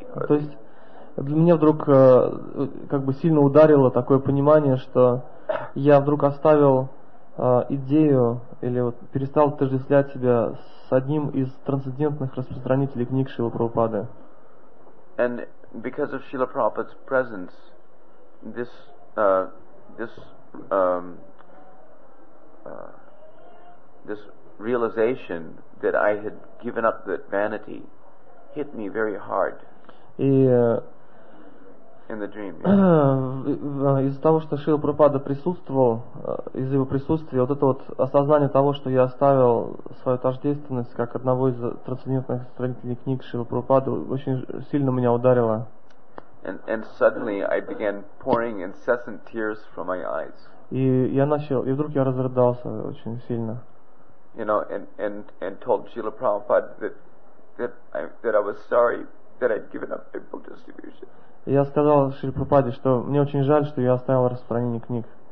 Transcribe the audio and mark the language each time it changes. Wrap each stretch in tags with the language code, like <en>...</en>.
<ru>есть для меня вдруг как бы сильно ударило такое понимание, что я вдруг оставил идею или вот перестал отождествлять себя с одним из трансцендентных распространителей книг Шрилы Прабхупады.</ru> <en>And because of Srila Prabhupada's presence, this this realization that I had given up that vanity hit me very hard. In the dream.</en> <ru>Из-за того, что Шрила Прабхупада присутствовал, из-за его присутствия, вот это вот осознание того, что я оставил свою тождественность как одного из трансцендентных сравнителей книг Шрила Прабхупады, очень сильно меня ударило.</ru> <en>And suddenly I began pouring incessant tears from my eyes.</en> <ru>И вдруг я разрыдался очень сильно.</ru> <en>You know, and told Srila Prabhupada that I was sorry that I'd given up my book distribution.</en> <ru>Я сказал Шриле Прабхупаде, что мне очень жаль, что я оставил распространение книг.</ru>